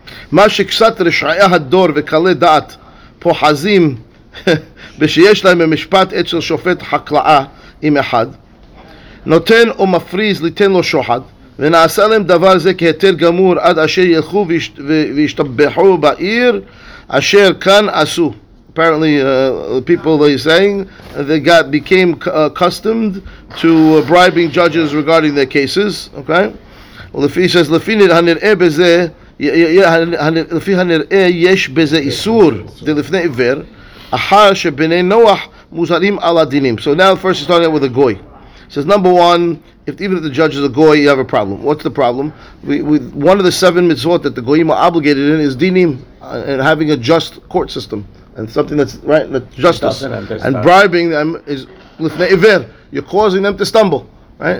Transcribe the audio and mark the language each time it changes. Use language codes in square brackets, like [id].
[he] מה שקצת רשעי הדור וקלי דעת פוחזים בשיש להם במשפט אצל שופט חקלאה עם אחד נותן או מפריז ליתן לו שוחד ונעשה להם דבר זה כהתר גמור עד אשר ילכו וישתבחו בעיר אשר כאן עשו. [en] Apparently, the people are saying they got became accustomed to bribing judges regarding their cases. Okay, well, if he says [he] לפי הנראה בזה לפי הנראה יש בזה איסור דלפני עיוור אחר שבני נוח מוזרים על הדינים. [en] So now first starting out with a goy. It says number one, even if the judge is a goy, you have a problem. What's the problem? One of the seven mitzvot that the goyim are obligated in is dinim and having a just court system and something that's right, that justice, and bribing them is lifnei iver, you're causing them to stumble. Right?